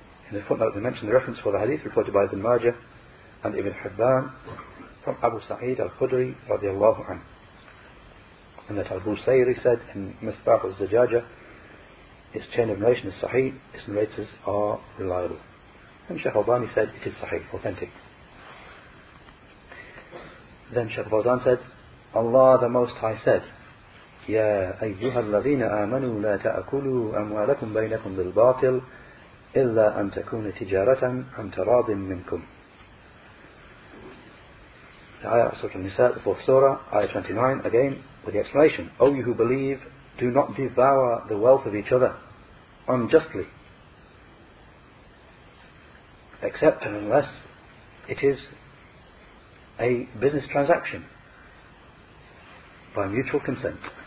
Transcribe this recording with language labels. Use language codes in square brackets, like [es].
[en] In the footnote, they mentioned the reference for the hadith reported by Ibn Majah and Ibn Hibban from Abu Sa'id al-Khudri radiallahu anhu, and that Abu Sayri said in Misbah al-Zajaja, its chain of narration is sahih, its narrators are reliable. And Sheikh Albani said, it is sahih, authentic. Then Sheikh Fawzan said, Allah the Most High said, [ar] يَا أَيُّهَا الَّذِينَ آمَنُوا لَا تَأَكُلُوا أَمْوَالَكُمْ بَيْنَكُمْ بِالْبَاطِلِ إِلَّا أَن تَكُونَ تِجَارَةً عَنْ تَرَاضٍ مِّنْكُمْ. [en] The ayah of Surah Al-Nisa, the 4th surah, ayah 29, again, with the explanation, O you who believe, do not devour the wealth of each other unjustly, except and unless it is a business transaction by mutual consent.